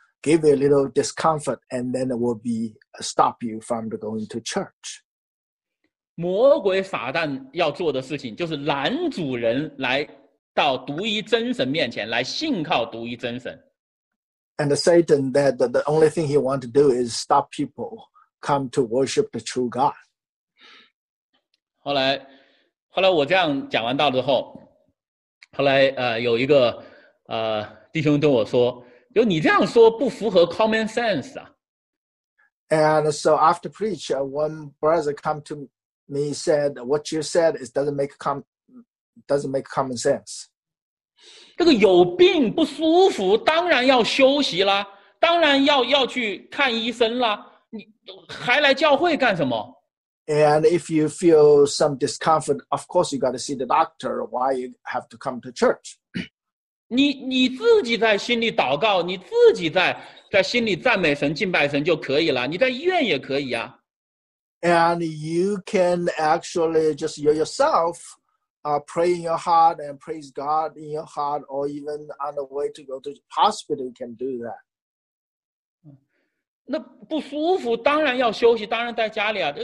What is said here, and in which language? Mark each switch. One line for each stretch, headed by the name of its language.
English: Give you a little discomfort, and then it will be stop you from going to church.
Chinese: 魔鬼撒旦要做的事情就是拦阻人来到独一真神面前来信靠独一真神。
English: And Satan, that the only thing he wants to do is stop people come to worship the true God.
Chinese: 后来我这样讲完道之后，有一个弟兄对我说。就你这样说不符合 common sense 啊。
English: And so after preach, one brother come to me said, "What you said is doesn't make common sense."
Chinese: 这个有病不舒服，当然要休息啦，当然要去看医生啦。你还来教会干什么
English: ？And if you feel some discomfort, of course you got to see the doctor. Why you have to come to church?
Chinese: 你自己在心里祷告，你自己在心里赞美神、敬拜神就可以了。你在医院也可以啊。
English: And you can actually just yourself, pray in your heart and praise God in your heart, or even on the way to go to hospital, you can do that.
Chinese: 那不舒服，当然要休息，当然在家里啊。